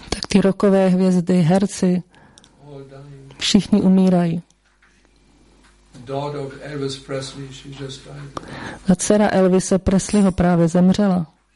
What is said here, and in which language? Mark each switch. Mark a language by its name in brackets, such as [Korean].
[Czech] Tak ty rockové hvězdy, herci, všichni umírají. [English] Daughter of Elvis Presley, she just died. [Czech] A dcera Elvise Presleyho právě zemřela.